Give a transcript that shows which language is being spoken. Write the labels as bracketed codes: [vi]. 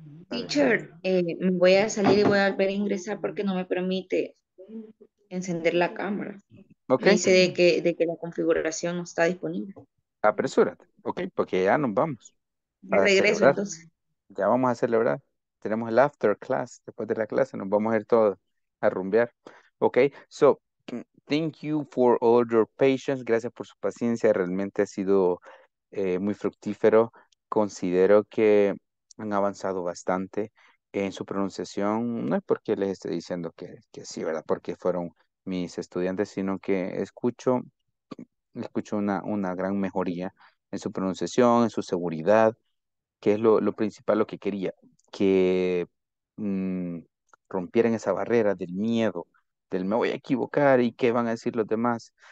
[es] Teacher, me voy a salir y voy a volver a ingresar porque no me permite encender la cámara. Okay. Dice de que la configuración no está disponible. Apresúrate, ok, porque ya nos vamos. De regreso, celebrar. Entonces. Ya vamos a celebrar. Tenemos el after class, después de la clase, nos vamos a ir todos a rumbear. [en] Ok, so, thank you for all your patience. [es] Gracias por su paciencia, realmente ha sido muy fructífero. Considero que han avanzado bastante en su pronunciación, no es porque les esté diciendo que sí, ¿verdad? Porque fueron mis estudiantes, sino que escucho una gran mejoría en su pronunciación, en su seguridad, que es lo principal, lo que quería, que rompieran esa barrera del miedo, del me voy a equivocar y qué van a decir los demás.